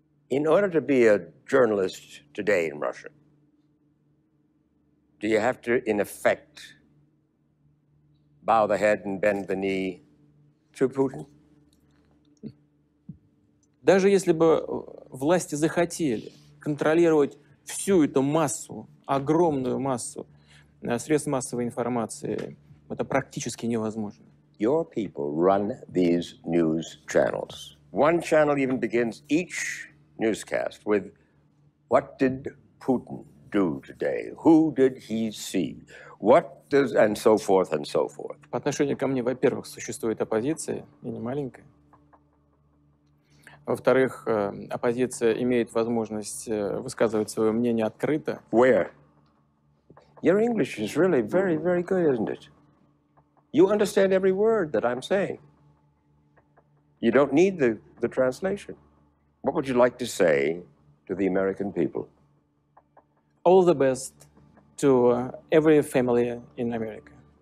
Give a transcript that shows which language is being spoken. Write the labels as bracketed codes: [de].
[en] In order to be a journalist today in Russia, do you have to, in effect, bow the head and bend the knee to Putin? [ru] Даже если бы власти захотели контролировать всю эту массу, огромную массу средств массовой информации, это практически невозможно. [en] Your people run these news channels. One channel even begins each newscast with, what did Putin do today? Who did he see? What does, and so forth, and so forth. [ru] По отношению ко мне, во-первых, существует оппозиция, и не маленькая. Во-вторых, оппозиция имеет возможность высказывать свое мнение открыто. [en] Where? Your English is really very, very good, isn't it? You understand every word that I'm saying. You don't need the translation. What would you like to say to the American people? All the best to every family in America.